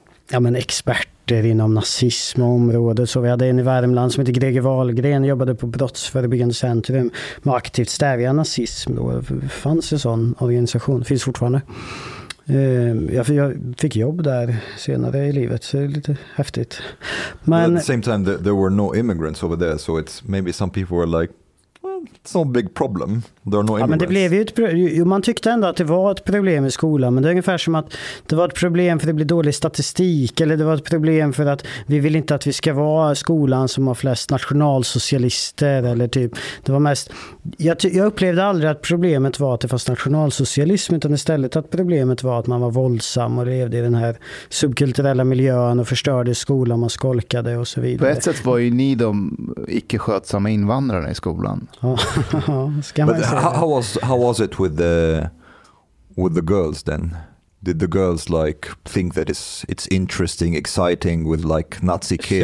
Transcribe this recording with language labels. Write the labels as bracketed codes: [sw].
[sv] ja, men experter inom nazism och området. Så vi hade en i Värmland som heter Greger Wahlgren, jobbade på Brottsförebyggande centrum med aktivt stävja nazism. Då fanns en sån organisation, finns fortfarande. Jag fick jobb där senare i livet, så det är lite häftigt. [en] Men at the same time there were no immigrants over there, so it's maybe some people were like, it's not a big problem. There are no immigrants. [sv] Ja, men det blev ju ett problem. Man tyckte ändå att det var ett problem i skolan, men det är ungefär som att det var ett problem för att det blir dålig statistik, eller det var ett problem för att vi vill inte att vi ska vara skolan som har flest nationalsocialister, eller typ. Det var mest, jag upplevde aldrig att problemet var att det fanns nationalsocialism, utan istället att problemet var att man var våldsam och levde i den här subkulturella miljön och förstörde skolan, man skolkade och så vidare. På ett sätt var ju ni de icke-skötsamma invandrarna i skolan. [en] But how was it with the girls then? Did the girls like think that it's interesting, exciting with like Nazi kids?